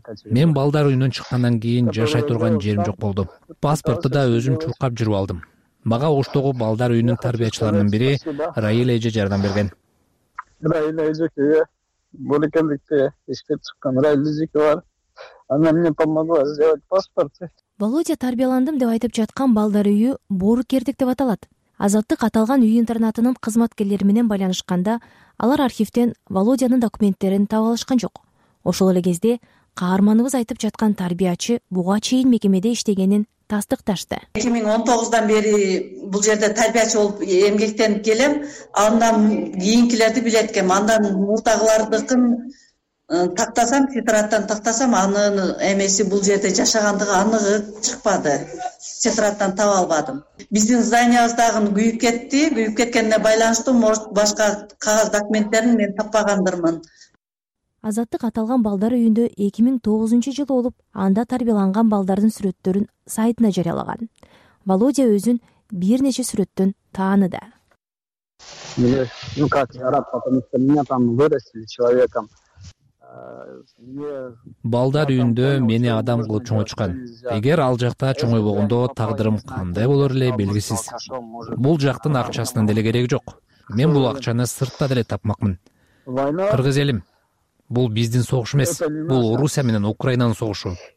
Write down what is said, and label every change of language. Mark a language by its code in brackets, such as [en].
[ky] Мен балдар үйүнөн чыккандан кийин жашай турган жерим жок болду. Паспортту да өзүм чуркап жүрүп алдым. Мага Оштогу балдар үйүнүн тарбиячыларынын бири Раил эже жардам берген. Раил эжеке Боликендикте иштеп чыккан Раил эжеке бар. [ru] Она мне помогла сделать паспорт. [ky] Володя тарбияландым деп айтып жаткан балдар үйү Боркердик деп аталат. Азаттык аталган үй интернатынын кызматкерлери менен байланышканда алар архивтен Володянын документтерин таап алышкан жок. Ошол эле кезде каарманыбыз айтып жаткан тарбиячы буга чейин мекемеде иштегенин тастыкташты. 2019 бери бул жерде тарбиячы болуп эмгектенип келем. Андан кийинкилерди билет экем. Андан муртагылардыкын тактасам, тетраттан тактасам, анын эмеси бул жерде жашагандыгы анык чыкпады. Тетраттан таба албадым. Биздин зданиябыз дагы күйүп кетти. Күйүп кеткенине байланыштуу [ru] может [ky] башка кагаз документтерин мен таппагандырмын. Азаттык аталган балдар үйүндө 2009 жылы болуп, анда тарбияланган балдардын сүрөттөрүн сайтына жарыялаган. Володя өзүн бир нече сүрөттөн тааныды. [ru] Ну как я рад, потому что меня там вырастили человеком. [ky] Балдар үйүндө мени адам кылып чоңойткан. Эгер ал жакта чоңойбогондо тагдырым кандай болор эле белгисиз. Бул жактын акчасынын деле кереги жок. Мен бул акчаны сыртта деле тапмакмын. Кыргыз элим. Бул биздин согуш эмес. Бул Орусия менен Украинанын согушу.